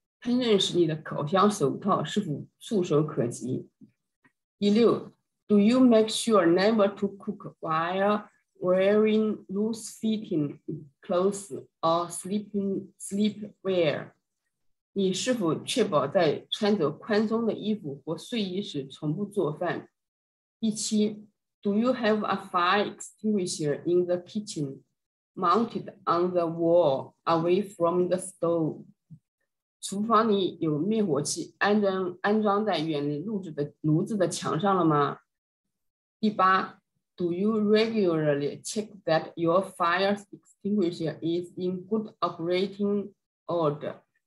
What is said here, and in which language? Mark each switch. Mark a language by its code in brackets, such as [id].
[zh] 烹饪时你的烤箱手套是否触手可及？第六 [en] ，Do you make sure never to cook while wearing loose-fitting clothes or sleepwear? [zh] 你是否确保在穿着宽松的衣服或睡衣时从不做饭？第七 [en] ，Do you have a fire extinguisher in the kitchen mounted on the wall away from the stove? [zh] 厨房里有灭火器安装在远离炉子的墙上了吗？第八 [en] ，Do you regularly check that your fire extinguisher is in good operating order?